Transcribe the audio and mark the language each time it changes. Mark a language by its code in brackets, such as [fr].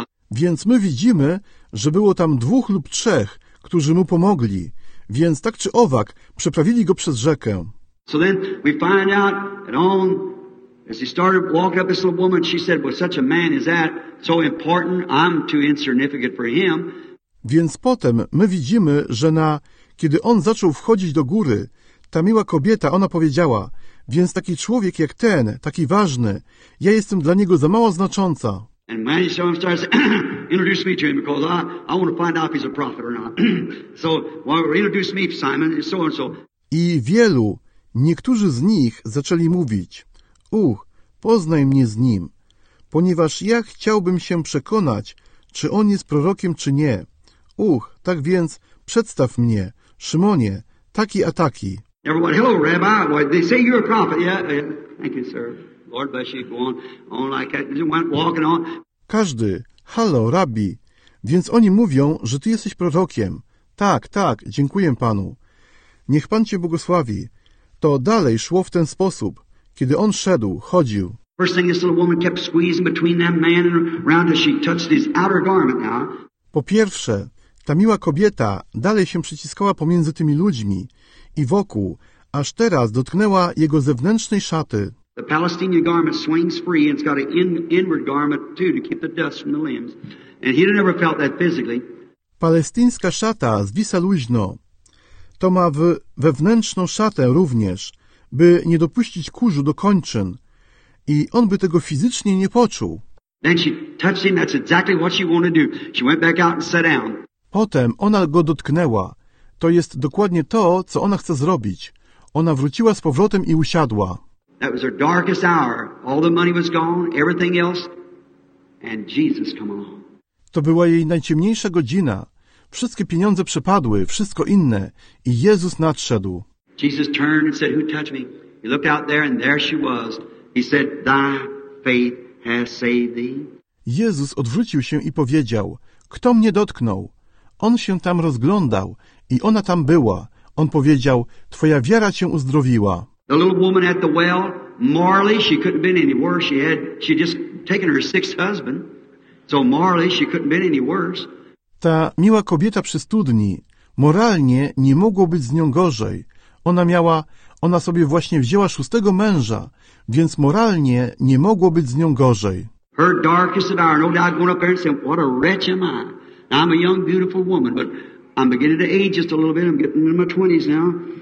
[pl] Więc my widzimy, że było tam dwóch lub trzech, którzy mu pomogli, więc tak czy owak przeprawili go przez rzekę. [en] So then we find out that on, as he started walking up this little woman, she said, well, such a man is that so important, I'm too insignificant for him. [pl] Więc potem my widzimy, że na, kiedy on zaczął wchodzić do góry, ta miła kobieta, ona powiedziała, więc taki człowiek jak ten, taki ważny, ja jestem dla niego za mało znacząca. [en] And Manny Sullivan starts introduce me to him because I want to find out if he's a prophet or not. So well, introduce me, Simon, and so on and so. [pl] I wielu, niektórzy z nich zaczęli mówić, poznaj mnie z nim, ponieważ ja chciałbym się przekonać, czy on jest prorokiem, czy nie. Tak więc przedstaw mnie, Szymonie, taki a taki. [en] Everyone, hello, Rabbi. Well, they say you're a prophet. Thank you, sir. Lord bless you. Go on like that. Just went walking on. [pl] Każdy, halo, rabbi. Więc oni mówią, że ty jesteś prorokiem. Tak, dziękuję panu. Niech pan cię błogosławi. To dalej szło w ten sposób. Kiedy on szedł, chodził. [en] First thing, this little woman kept squeezing between that man and around her. She touched his outer garment now. [pl] Po pierwsze, ta miła kobieta dalej się przyciskała pomiędzy tymi ludźmi i wokół, aż teraz dotknęła jego zewnętrznej szaty. [en] The Palestinian garment swings free and it's got an inward garment too to keep the dust from the limbs. And he'd never felt that physically. [pl] Palestyńska szata zwisa luźno. To ma wewnętrzną szatę również, by nie dopuścić kurzu do kończyn. I on by tego fizycznie nie poczuł. [en] Then she touched him, that's exactly what she wanted to do. She went back out and sat down. [pl] Potem ona go dotknęła. To jest dokładnie to, co ona chce zrobić. Ona wróciła z powrotem i usiadła. [en] That was her darkest hour. All the money was gone, everything else, and Jesus come along. [pl] To była jej najciemniejsza godzina. Wszystkie pieniądze przepadły, wszystko inne, i Jezus nadszedł. [en] Jesus turned and said, "Who touched me?" He looked out there and there she was. He said, "Thy faith has saved thee." [pl] Jezus odwrócił się i powiedział, kto mnie dotknął? On się tam rozglądał i ona tam była. On powiedział, twoja wiara cię uzdrowiła. [en] The little woman at the well, morally she couldn't have been any worse. She had just taken her sixth husband. So morally she couldn't have been any worse. [pl] Ta miła kobieta przy studni, moralnie nie mogło być z nią gorzej. Ona sobie właśnie wzięła szóstego męża, więc moralnie nie mogło być z nią gorzej. [en] Her darkest hour, no doubt going up there and saying, what a wretch am I? Now, I'm a young, beautiful woman, but I'm beginning to age just a little bit. I'm getting in my 20s now.